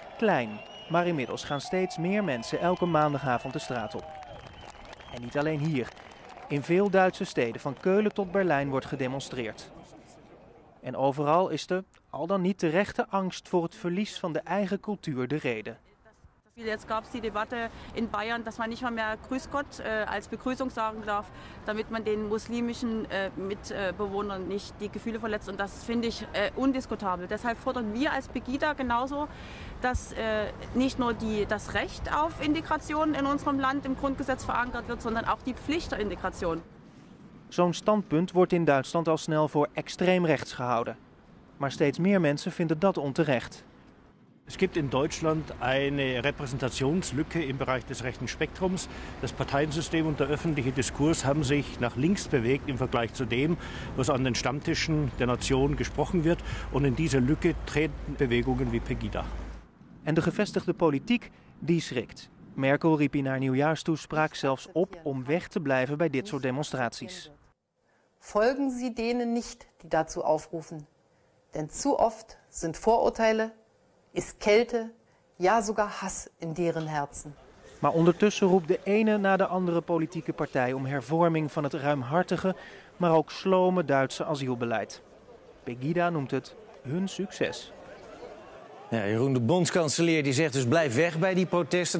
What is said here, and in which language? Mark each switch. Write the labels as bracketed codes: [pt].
[nl] Klein, maar inmiddels gaan steeds meer mensen elke maandagavond de straat op. En niet alleen hier. In veel Duitse steden, van Keulen tot Berlijn, wordt gedemonstreerd. En overal is de, al dan niet terechte, angst voor het verlies van de eigen cultuur de reden. [de] Jetzt gab es die Debatte in Bayern, dass man nicht mal mehr Grüß Gott als Begrüßung sagen darf, damit man den muslimischen Mitbewohnern nicht die Gefühle verletzt. Und das finde ich undiskutabel. Deshalb fordern wir als Pegida genauso, dass nicht nur das Recht auf Integration in unserem Land im Grundgesetz verankert wird, sondern auch die Pflicht der Integration. [nl] Zo'n standpunt wordt in Duitsland al snel voor extreem rechts gehouden. Maar steeds meer mensen vinden dat onterecht. [de] Es gibt in Deutschland eine Repräsentationslücke im Bereich des rechten Spektrums. Das Parteiensystem und der öffentliche Diskurs haben sich nach links bewegt im Vergleich zu dem, was an den Stammtischen der Nation gesprochen wird. Und in diese Lücke treten Bewegungen wie Pegida. Und die gefestigte Politik, die schrikt. [nl] Merkel riep in haar nieuwjaarstoespraak zelfs op om weg te blijven bij dit soort demonstraties. [de] Folgen Sie denen nicht, die dazu aufrufen. Denn zu oft sind Vorurteile... is kälte, ja sogar Hass in deren Herzen. [nl] Maar ondertussen roept de ene na de andere politieke partij om hervorming van het ruimhartige, maar ook slome Duitse asielbeleid. Pegida noemt het hun succes. Ja, Jeroen, de bondskanselier die zegt dus blijf weg bij die protesten.